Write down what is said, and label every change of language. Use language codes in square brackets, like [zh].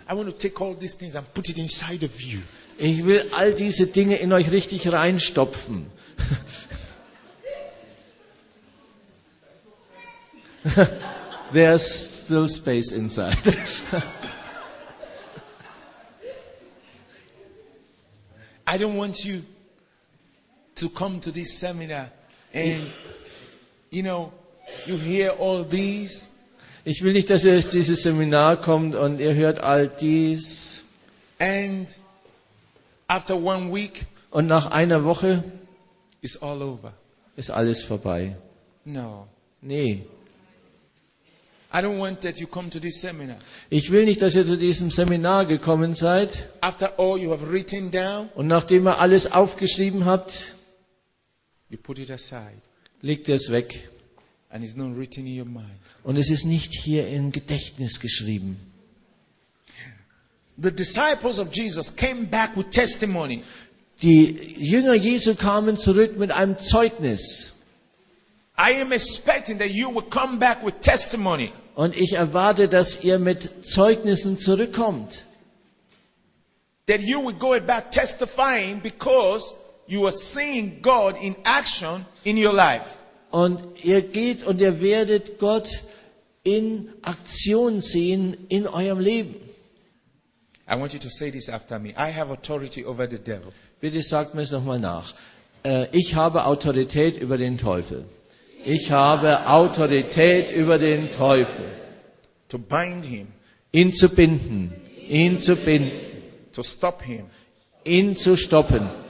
[en] I want to take all these things and put it inside of you. [de] Ich will all diese Dinge in euch richtig reinstopfen. [en] There's still space inside. I don't want you to come to this seminar and you know, you hear all these. [de] Ich will nicht, dass ihr auf dieses Seminar kommt und ihr hört all dies. [en] And after 1 week, [de] und nach einer Woche, [en] it's all over. [de] Ist alles vorbei. [en] No. [de] Nee. [en] I don't want that you come to this seminar. [de] Ich will nicht, dass ihr zu diesem Seminar gekommen seid. [en] After all you have written down, [de] und nachdem ihr alles aufgeschrieben habt, [en] you put it aside. [de] Legt ihr es weg. [en] And it's not written in your mind. [de] Und es ist nicht hier im Gedächtnis geschrieben. [en] The disciples of Jesus came back with testimony. [de] Die Jünger Jesu kamen zurück mit einem Zeugnis. [en] I am expecting that you will come back with testimony. [de] Und ich erwarte, dass ihr mit Zeugnissen zurückkommt. [en] That you will go back testifying because you are seeing God in action in your life. [de] Und ihr geht und ihr werdet Gott in Aktion sehen in eurem Leben. [en] I want you to say this after me. I have authority over the devil. [de] Bitte sagt mir es nochmal nach. Ich habe Autorität über den Teufel. Ich habe Autorität über den Teufel. [en] To bind him. [de] Ihn zu binden. Ihn zu binden. [en] To stop him. [de] Ihn zu stoppen.